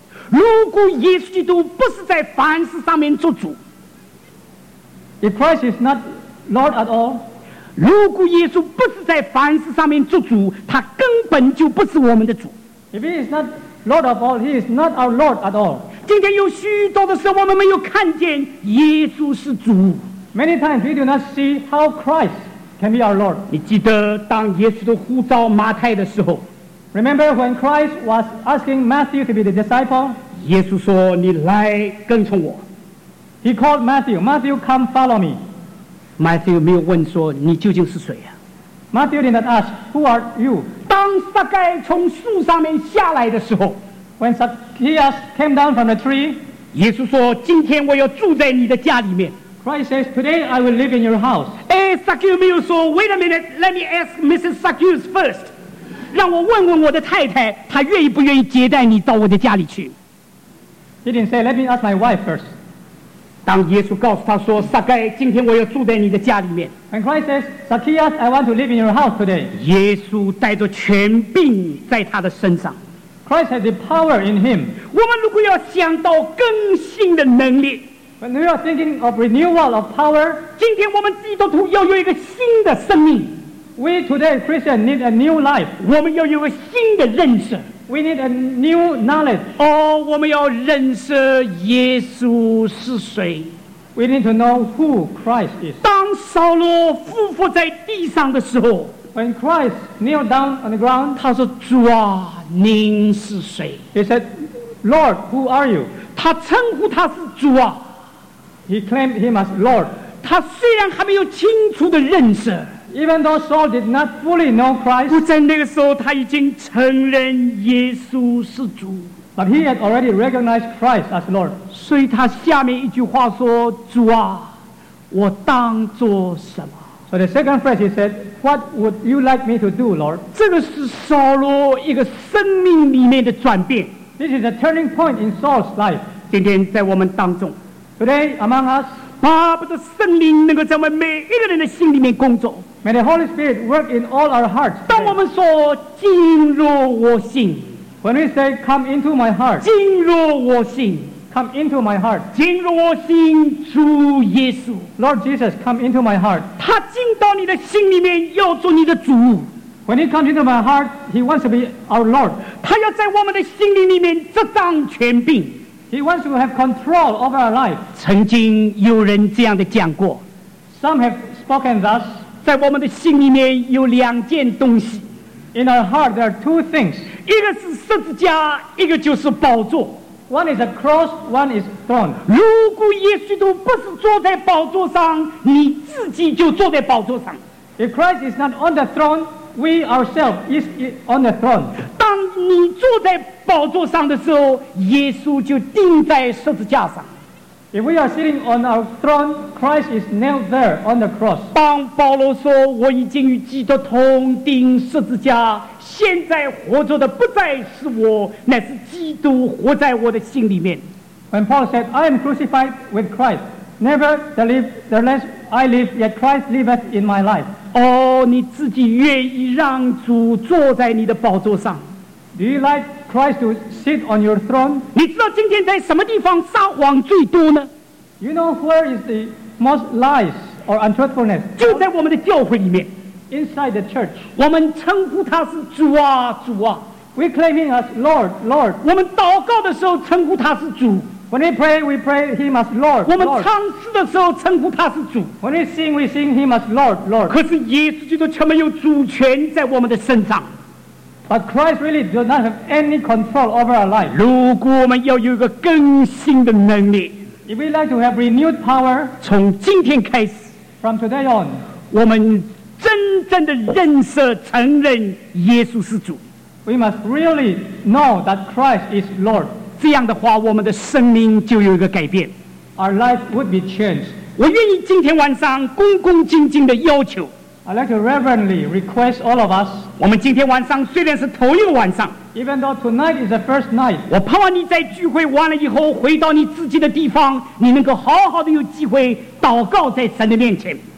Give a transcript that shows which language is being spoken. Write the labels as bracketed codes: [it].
[zh] 如果耶稣基督不是在凡事上面做主， [en] If Christ is not Lord at all, [zh] 如果耶稣不是在凡事上面做主，他根本就不是我们的主。 [en] If he is not Lord of all, he is not our Lord at all. [zh] 今天有许多的时候我们没有看见耶稣是主。 [en] Many times we do not see how Christ can be our Lord. [zh] 你记得当耶稣呼召马太的时候， [en] Remember when Christ was asking Matthew to be the disciple? [zh] 耶稣说你来跟从我。 [en] He called Matthew, Matthew come follow me. [zh] Matthew 没有问说你究竟是谁啊？ [en] Matthew did not ask who are you. [zh] 当撒该从树上面下来的时候， [en] When Zacchaeus came down from the tree, [zh] 耶稣说今天我要住在你的家里面。 [en] Christ says, today I will live in your house. Hey, Zacchaeus [zh] 没有说 [en] wait a minute, let me ask Mrs. Zacchaeus first. [zh] 让我问问我的太太，她愿意不愿意接待你到我的家里去。 [en] He didn't say, let me ask my wife first. [zh] 当耶稣告诉他说撒该，今天我要住在你的家里面。 [en] When Christ says, Zacchaeus, I want to live in your house today. [zh] 耶稣带着权柄在他的身上。 [en] Christ has the power in him. [zh] 我们如果要想到更新的能力， [en] When we are thinking of renewal of power, [zh] 今天我们基督徒要有一个新的生命。 [en] We today, Christians, need a new life. [zh] 我们要有一个新的认识。 [en] We need a new knowledge. [zh] 哦，我们要认识耶稣是谁。 [en] We need to know who Christ is. [zh] 当扫罗伏伏在地上的时候， [en] When Christ kneeled down on the ground, [zh] 他说，主啊，您是谁？ [en] He said, Lord, who are you? [zh] 他称呼他是主啊。 [en] He claimed him as Lord. [zh] 他虽然还没有清楚的认识， [en] Even though Saul did not fully know Christ, [zh] 不在那个时候他已经承认耶稣是主。 [en] But he had already recognized Christ as Lord. [zh] 所以他下面一句话说，主啊，我当做什么？ [en] So the second phrase he said, What would you like me to do, Lord? [zh] 这个是扫罗一个生命里面的转变。 [en] This is a turning point in Saul's life. [zh] 今天在我们当中， [en] Today, among us, [zh] 巴不得圣灵能够在我们每一个人的心里面工作。 [en] May the Holy Spirit work in all our hearts. [zh] 当我们说进入我心， [en] When we say, come into my heart, [zh] 进入我心， [en] come into my heart, [zh] 进入我心，主耶稣， [en] Lord Jesus, come into my heart. [zh] 他进到你的心里面，要做你的主。 [en] When he comes into my heart, he wants to be our Lord. [zh] 他要在我们的心灵里面执掌权柄。 [en] He wants to have control over our life. [zh] 曾经有人这样的讲过， [en] Some have spoken thus. [zh] 在我们的心里面有两件东西， [en] In our heart there are two things. [zh] 一个是十字架，一个就是宝座。 [en] One is a cross, one is throne. [zh] 如果耶稣都不是坐在宝座上，你自己就坐在宝座上。 [en] If Christ is not on the throne, we ourselves is on the throne. [zh] 当你坐在宝座上的时候，耶稣就钉在十字架上。 [en] If we are sitting on our throne, Christ is nailed there on the cross. [zh] 当保罗说我已经与基督同钉十字架，现在活着的不再是我，乃是基督活在我的心里面。 [en] When Paul said, I am crucified with Christ, nevertheless I live, yet Christ liveth in my life. [zh] 哦，你自己愿意让主坐在你的宝座上。 [en] Do you like Christ to sit on your throne? [zh] 你知道今天在什么地方撒谎最多呢？ [en] You know where is the most lies or untruthfulness? [zh] 就在我们的教会里面。 [en] Inside the church. [zh] 我们称呼他是主啊，主啊。 [en] We claim him as Lord, Lord. [zh] 我们祷告的时候称呼他是主。 [en] When we pray him as Lord, Lord. [zh] 我们唱诗的时候称呼他是主。 [en] When we sing him as Lord, Lord. [zh] 可是耶稣基督却没有主权在我们的身上。 [en] But Christ really does not have any control over our life. [zh] 如果我们要有一个更新的能力， [en] If we like to have renewed power, [zh] 从今天开始， [en] From today on, [zh] 我们真正的认识承认耶稣是主， [en] We must really know that Christ is Lord. [zh] 这样的话我们的生命就有一个改变， [en] Our life would be changed. [zh] 我愿意今天晚上恭恭敬敬的要求， [en] I'd like to reverently request all of us. [zh] 我们今天晚上虽然是头一个晚上， [en] Even though tonight is the first night, [zh] 我盼望你在聚会完了以后回到你自己的地方，你能够好好的有机会祷告在神的面前。